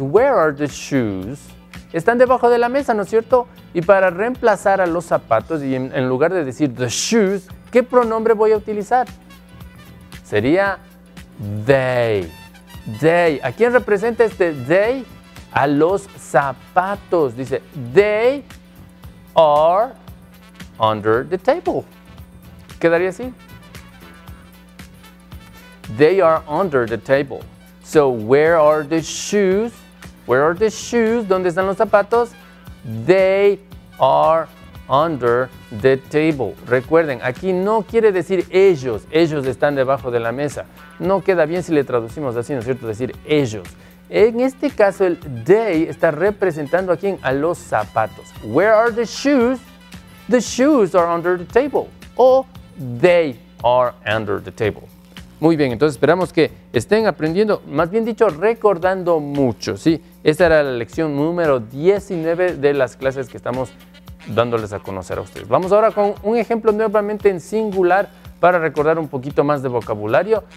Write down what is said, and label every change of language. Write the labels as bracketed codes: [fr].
[en] Where are the shoes? [es] Están debajo de la mesa, ¿no es cierto? Y para reemplazar a los zapatos, y en lugar de decir [en] the shoes, [es] ¿qué pronombre voy a utilizar? Sería they. They. ¿A quién representa este they? A los zapatos. Dice, [en] they are under the table. [es] ¿Quedaría así? [en] They are under the table. So, where are the shoes? Where are the shoes? [es] ¿Dónde están los zapatos? [en] They are under the table. [es] Recuerden, aquí no quiere decir ellos. Ellos están debajo de la mesa. No queda bien si le traducimos así, ¿no es cierto? Decir ellos. En este caso, el they está representando a quién, a los zapatos. [en] Where are the shoes? The shoes are under the table. O they are under the table. [es] Muy bien, entonces esperamos que estén aprendiendo, más bien dicho, recordando mucho, ¿sí? Esta era la lección número 19 de las clases que estamos dándoles a conocer a ustedes. Vamos ahora con un ejemplo nuevamente en singular para recordar un poquito más de vocabulario.